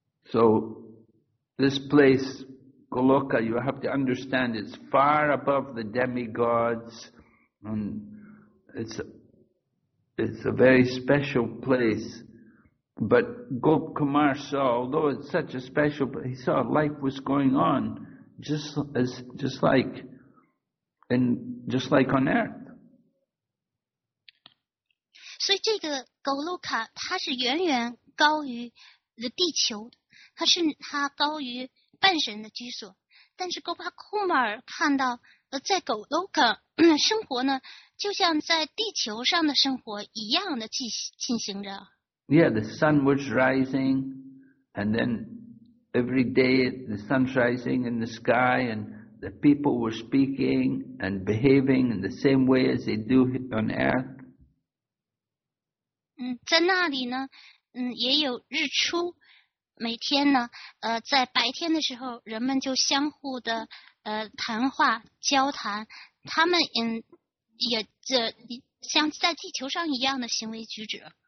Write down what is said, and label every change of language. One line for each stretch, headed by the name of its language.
English: So this place Goloka, you have to understand, it's far above the demigods and. It's a very special place. But Gop Kumar saw, although it's such a special place, he saw life was going on just like And just like on earth.
Chinese: 所以这个狗卢卡它是远远高于地球，它是它高于半神的居所。但是戈巴库马尔看到在狗卢卡生活呢，就像在地球上的生活一样的进行着。
English: Yeah, the sun was rising, and then every day the sun's rising in the sky, and the people were speaking and behaving in the same way as they do on earth.
Chinese: 在那里呢，也有日出。每天呢，在白天的时候，人们就相互的谈话交谈，他们也这像在地球上一样的行为举止。